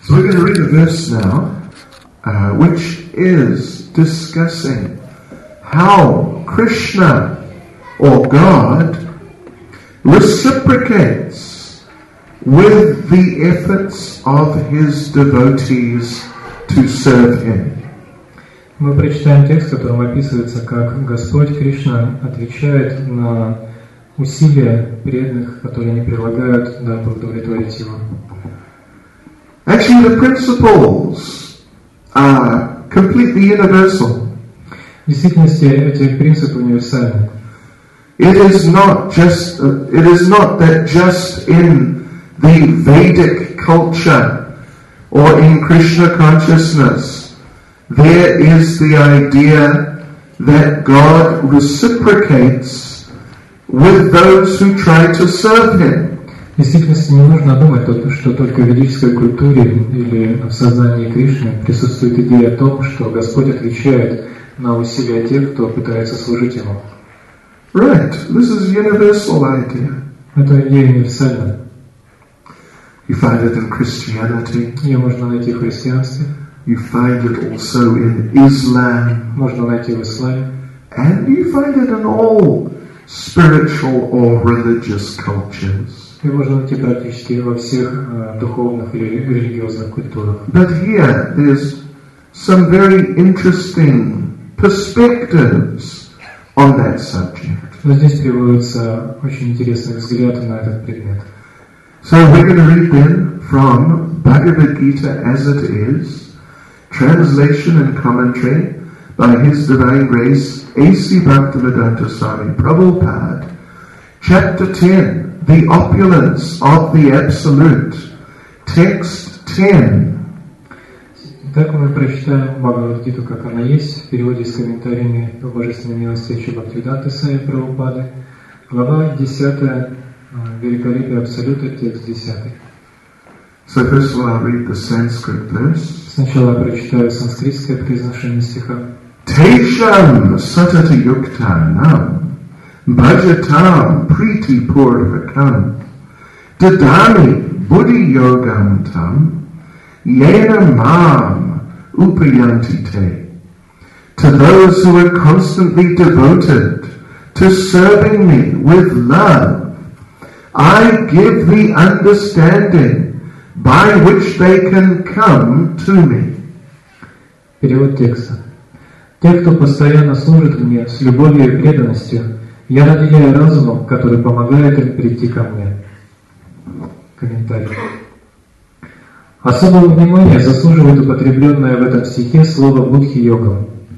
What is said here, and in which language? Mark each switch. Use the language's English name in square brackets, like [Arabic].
[English] going to read a verse now, which is discussing how Krishna, or God, reciprocates with the efforts of his devotees to serve him. [Russian] Мы прочитаем текст, в котором описывается, как Господь Кришна отвечает на усилия преданных, которые они прилагают, дабы удовлетворить его. [English] Actually, the principles are completely universal. [Russian] В действительности, эти принципы универсальны. [English] It is not that just in the Vedic culture or in Krishna consciousness there is the idea that God reciprocates with those who try to serve Him. [Russian] В действительности не нужно думать, что только в ведической культуре или в сознании Кришны присутствует идея о том, что Господь отвечает на усилия тех, кто пытается служить Ему. [English] Right. This is a universal idea. [Russian] Это идея универсальная. [English] You find it in Christianity. [Russian] Ее можно найти в христианстве. [English] You find it also in Islam. [Russian] Можно найти в исламе. [English] And you find it in all spiritual or religious cultures. [Russian] И можно найти практически во всех духовных или религиозных культурах. [English] But here there's some very interesting perspectives on that subject. [Russian] Но здесь приводятся очень интересные взгляды на этот предмет. [English] So we're going to read then from Bhagavad Gita as it is. Translation and commentary by His Divine Grace A.C. Bhaktivedanta Swami Prabhupada, Chapter 10, The Opulence of the Absolute, Text 10. [Russian] Так мы прочитаем Бхагавад-гиту, как она есть, в переводе с комментариями о Божественной милости Ши Бхактивиданты Свами Прабхупады, глава 10, Великолепие Абсолюта, текст 10. [English] So first of all, I'll read the Sanskrit verse. [Russian] Сначала я прочитаю санскритское произношение стиха. [Sanskrit] Тешам сатати юктанам баджатам прити пурвакам дадами будди йогам там йена мам упаянти те. [English] To those who are constantly devoted to serving me with love, I give the understanding by which they can come to me. [Russian] Перевод текста. Те, кто постоянно служит мне с любовью и преданностью, я наделяю разумом, который помогает им прийти ко мне. Комментарий. Особого внимания заслуживает употребленное в этом стихе слово «будхи-йогам».